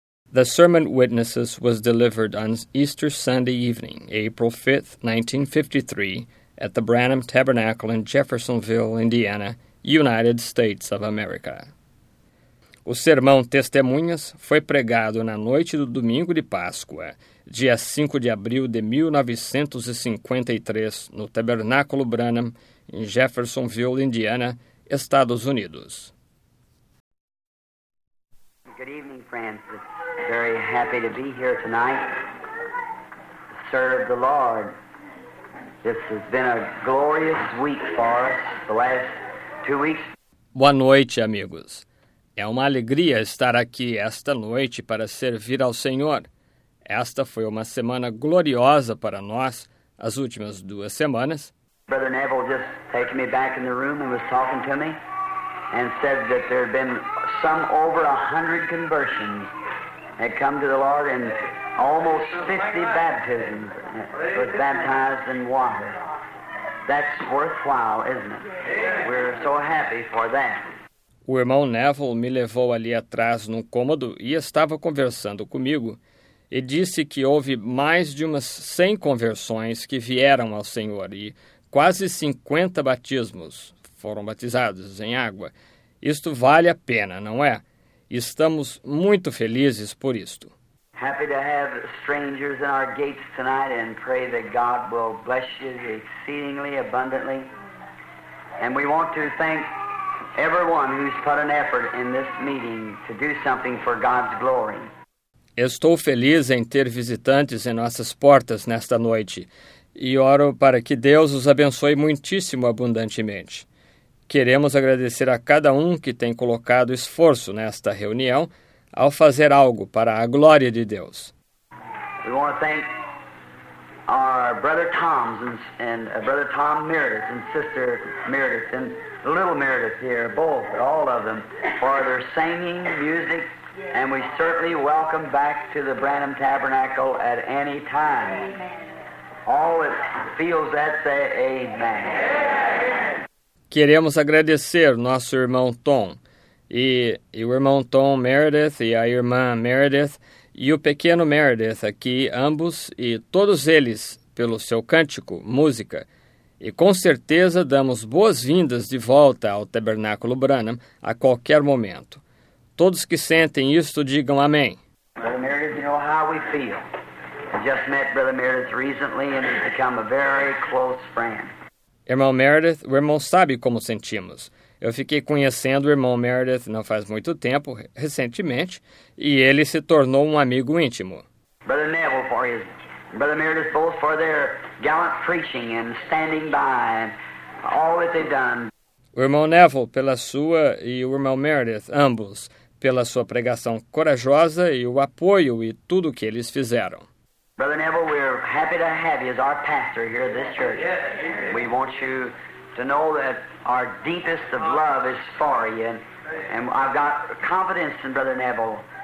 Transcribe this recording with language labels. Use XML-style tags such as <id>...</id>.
<en>The Sermon Witnesses was delivered on Easter Sunday evening, April 5, 1953, at the Branham Tabernacle in Jeffersonville, Indiana, United States of America.</en> <pt>O sermão Testemunhas foi pregado na noite do domingo de Páscoa, dia 5 de abril de 1953, no Tabernáculo Branham, em Jeffersonville, Indiana, Estados Unidos.</pt> <en>Good evening, friends. Very happy to be here tonight to serve the Lord. This has been a glorious week for us, the last 2 weeks.</en> <pt>Boa noite, amigos. É uma alegria estar aqui esta noite para servir ao Senhor. Esta foi uma semana gloriosa para nós, as últimas 2 semanas.</pt> <en>Brother Neville just taken me back in the room and was talking to me and said that there have been some over 100 conversions that come to the Lord and almost 50 baptisms was baptized in water. That's worthwhile, isn't it? We're so happy for that.</en> <pt>O irmão Neville me levou ali atrás num cômodo e estava conversando comigo e disse que houve mais de umas 100 conversões que vieram ao Senhor e quase 50 batismos foram batizados em água. Isto vale a pena, não é? Estamos muito felizes por isto.</pt> <en>Happy to have strangers in our gates tonight and pray that God will bless you exceedingly abundantly. And we want to thank everyone who's put an effort in this meeting to do something for God's glory.</en> <pt>Estou feliz em ter visitantes em nossas portas nesta noite e oro para que Deus os abençoe muitíssimo abundantemente. Queremos agradecer a cada um que tem colocado esforço nesta reunião ao fazer algo para a glória de Deus.</pt> <en>We want to thank our brother Tom's and brother Tom Meredith and sister Meredith and the little Meredith here, both, all of them, for their singing, music, and we certainly welcome back to the Branham Tabernacle at any time. Amen. All that feels that, say amen.</en> <pt>Queremos agradecer nosso irmão Tom e o irmão Tom Meredith e a irmã Meredith e o pequeno Meredith aqui, ambos e todos eles, pelo seu cântico, música. E com certeza damos boas-vindas de volta ao Tabernáculo Branham a qualquer momento. Todos que sentem isto, digam amém.</pt> <en>Brother Meredith, you know how we feel. I just met Brother Meredith recently and he's become a very close friend.</en> <pt>Irmão Meredith, o irmão sabe como sentimos. Eu fiquei conhecendo o irmão Meredith não faz muito tempo, recentemente, e ele se tornou um amigo íntimo.</pt> <en>Brother Neville, for his, Brother Meredith, both for their gallant preaching and standing by and all that they've done.</en> <pt>O irmão Neville, pela sua, e o irmão Meredith, ambos, pela sua pregação corajosa e o apoio e tudo o que eles fizeram.</pt> <en>Brother Neville, we're happy to have you as our pastor here at this church. We want you to know that our deepest of love is for you, and I've got confidence in Brother Neville.</en>